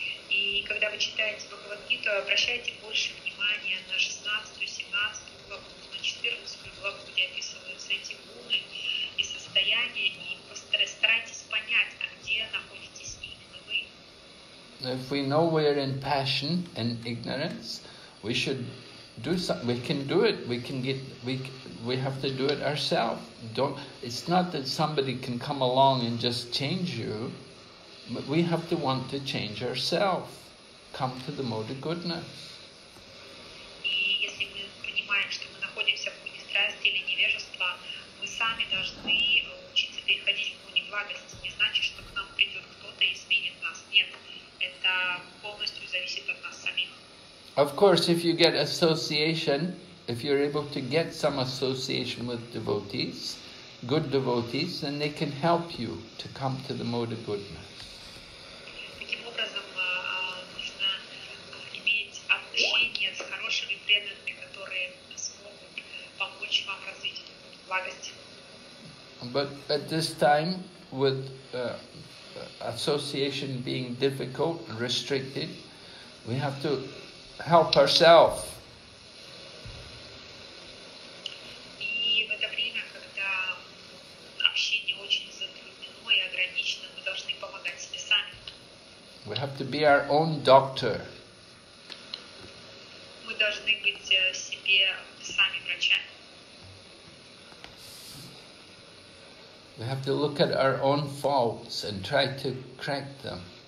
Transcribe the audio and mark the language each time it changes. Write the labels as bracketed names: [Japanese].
[Russian] И когда вы читаете Бхагавад-гиту, обращайте больше внимания на 16, 17 главу, на 14 главу, где описываются эти гуны и состояния, и старайтесь понять, а где находитесь именно вы. [English] If we know we're in passion and ignorance, we should do something. We can do it. We have to do it ourselves. It's not that somebody can come along and just change you, but we have to want to change ourselves. Come to the mode of goodness. [Russian] И если мы понимаем, что мы находимся в пути страсти или невежества, мы сами должны учиться переходить в пути благости. Не значит, что к нам придет кто-то и изменит нас. Нет, это полностью зависит от нас самих. [English] Of course, if you get association, if you're able to get some association with devotees, good devotees, then they can help you to come to the mode of goodness. [Russian] Таким образом, нужно иметь отношения с хорошими преданными, которые смогут помочь вам развить благости. [English] But at this time, with association being difficult and restricted, we have to help ourselves. We have to be our own doctor. [Russian] Мы должны быть себе сами врачами. [English] We have to look at our own faults and try to correct them.